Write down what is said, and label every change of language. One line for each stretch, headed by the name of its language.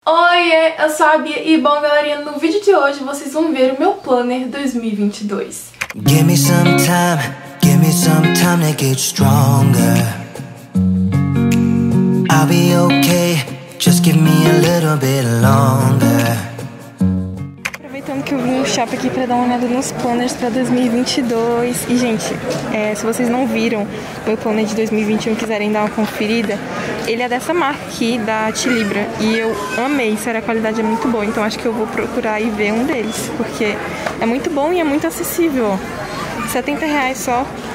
Portuguese: Oi, eu sou a Bia e bom, galerinha, no vídeo de hoje vocês vão ver o meu planner 2022.
English: Give me some time, give me some time to get stronger. I'll be okay, just give me a little bit longer.
Portuguese: Aproveitando que eu vim no shopping aqui pra dar uma olhada nos planners pra 2022. E, gente, se vocês não viram meu planner de 2021 e quiserem dar uma conferida, ele é dessa marca aqui, da Tilibra. E eu amei, sério, a qualidade é muito boa. Então acho que eu vou procurar e ver um deles, porque é muito bom e é muito acessível, ó. R$70 só.